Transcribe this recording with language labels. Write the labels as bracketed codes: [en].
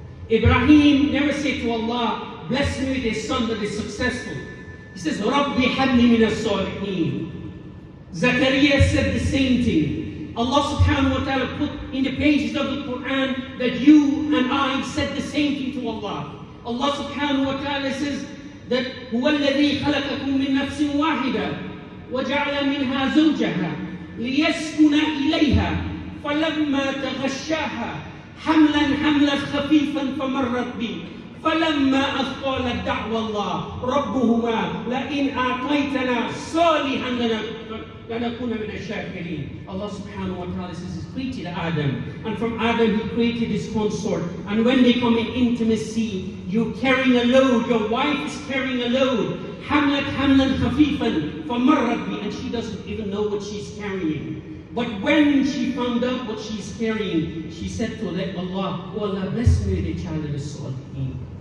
[en] Ibrahim never said to Allah, bless me with a son that is successful. He says, [ar] Rabbi habli min as-salihin. [en] Zakaria said the same thing. Allah subhanahu wa ta'ala put in the pages of the Quran that you and I said the same thing to Allah. Allah subhanahu wa ta'ala says that [ar] هُوَ الَّذِي خَلَقَكُم مِّن نَفْسٍ وَاحِدًا وَجَعْلَ مِنْهَا زَوْجَهَا لِيَسْكُنَ إِلَيْهَا فَلَمَّا تَغَشَّاهَا حَمْلًا حَمْلًا خَفِيفًا فَمَرَّتْ بِهِ فَلَمَّا أَثْقَالَ دَعْوَ اللَّهِ رَبُّهُمَا لَإِنْ أَعْطَيْتَنَا صَالِحًا لَنَكُونَ مِنَ الشَّاكِرِينَ. [en] Allah subhanahu wa ta'ala says, he created Adam, and from Adam he created his consort. And when they come in intimacy, you're carrying a load, your wife is carrying a load. [ar] حَمْلَتْ حَمْلًا خَفِيفًا فَمَرَّتْ بِهِ. [en] And she doesn't even know what she's carrying. But when she found out what she's carrying, she said to Allah, O Allah, bless me with a child that is salihin.